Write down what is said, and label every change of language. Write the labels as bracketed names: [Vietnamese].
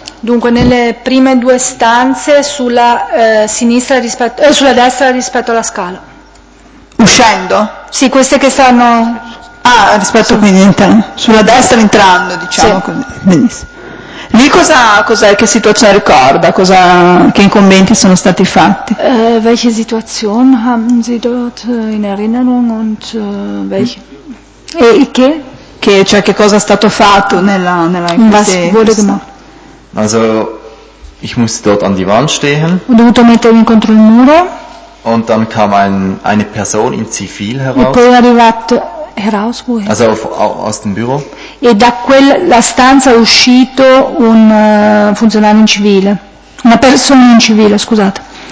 [Italian] Dunque nelle prime due stanze sulla sinistra rispetto sulla destra rispetto alla scala. Uscendo? Sì, queste che stanno. Ah, rispetto quindi sulla destra entrando, diciamo sì. Così. Benissimo. Lì cos'è, che situazione ricorda? Che incombenti sono stati fatti? [German] Welche Situation haben Sie dort in Erinnerung und welche? [Italian] E che? Che cosa è stato fatto nella [German] in was wurde gemacht? Also ich musste dort an die Wand stehen. [Italian] Ho dovuto mettermi contro il muro. [German] Und dann kam eine Person in Zivil heraus. [Italian] E poi è arrivato [German] heraus, wo è? Also aus dem Büro. [Italian] E da quella stanza è uscito un funzionario in civile. Una persona in civile, scusate.